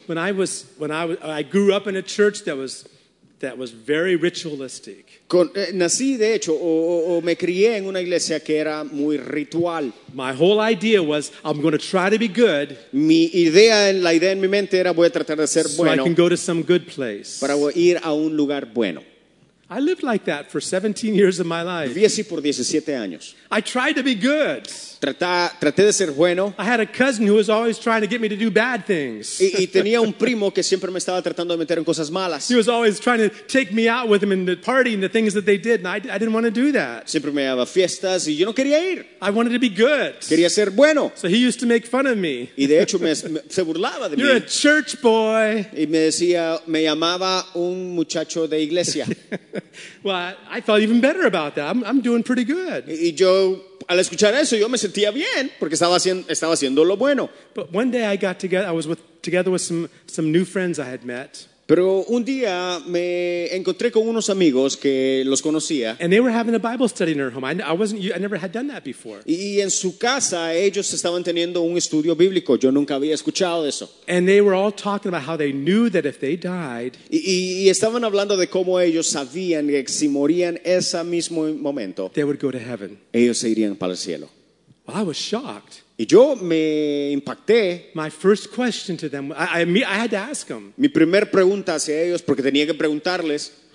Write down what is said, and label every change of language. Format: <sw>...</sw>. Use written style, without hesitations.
<en>When I grew up in a church that was very ritualistic.</en> <es>Nací de hecho o me crié en una iglesia que era muy ritual.</es> <en>My whole idea was I'm going to try to be good.</en> <es>Mi idea en la idea en mi mente era voy a tratar de ser</es> <en>so</en> <es>bueno.</es> <en>So I can go to some good place.</en> <es>Para ir a un lugar bueno.</es> <en>I lived like that for 17 years of my life.</en> <es>Viví así por 17 años.</es> <en>I tried to be good.</en> <es>Traté de ser bueno.</es> <en>I had a cousin who was always trying to get me to do bad things.</en> <es>Y tenía un primo que siempre me estaba tratando de meter en cosas malas.</es> <en>He was always trying to take me out with him in the party and the things that they did, and I didn't want to do that.</en> <es>Siempre me llevaba fiestas y yo no quería ir.</es> <en>I wanted to be good.</en> <es>Quería ser bueno.</es> <en>So he used to make fun of me.</en> <es>Y de hecho se burlaba de mí.</es> <en>You're a church boy.</en> <es>Y me llamaba un muchacho de iglesia.</es> <en>Well, I felt even better about that. I'm doing pretty good.</en> <es>Y yo, al escuchar eso, yo me sentía bien porque estaba haciendo lo bueno.</es> <en>But one day I got together. I was together with some new friends I had met.</en> <es>Pero un día me encontré con unos amigos que los conocía.</es> <en>And they were having a Bible study in their home. I never had done that before.</en> <es>Y en su casa ellos estaban teniendo un estudio bíblico. Yo nunca había escuchado eso.</es> <en>And they were all talking about how they knew that if they died.</en> <es>Y estaban hablando de cómo ellos sabían que si morían ese mismo momento.</es> <en>They would go to heaven.</en> <es>Ellos se irían para el cielo.</es> <en>Well, I was shocked.</en> <es>Y yo me impacté.</es> <en>My first question to them, I had to ask them.</en> <es>Mi primer pregunta hacia ellos, porque tenía que preguntarles.</es>